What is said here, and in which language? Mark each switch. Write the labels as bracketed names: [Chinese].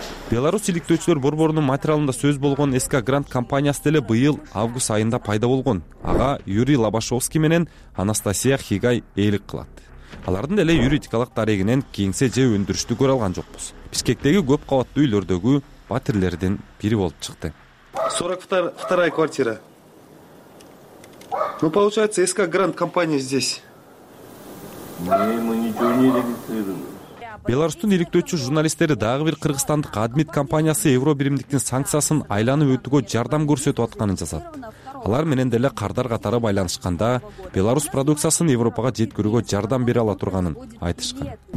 [Kyrgyz] Беларусь иликтөөчүлөр борборунун материалында сөз болгон СК Грант компаниясы деле быйыл август айында пайда болгон. Ага Юрий Лобашовский менен Анастасия Хигай ээлик кылат. Алардын деле юридикалык дарегинен кеңсе же өндүрүштү көрө алган жокпуз. Бишкектеги көп кабаттуу үйлөрдөгү батирлердин бири болуп чыкты. [Russian] 42-я квартира. Ну получается, СК Грант компания здесь. [Kyrgyz] Беларусьтун иликтөөчү журналисттери дагы бир кыргызстандык адмит компаниясы Евробиримдиктин санкциясын айланып өтүүгө жардам көрсөтүп атканын жазат. Алар менен деле кардар катары байланышканда Беларусь продукциясын Европага жеткирүүгө жардам бере ала турганын айтышкан.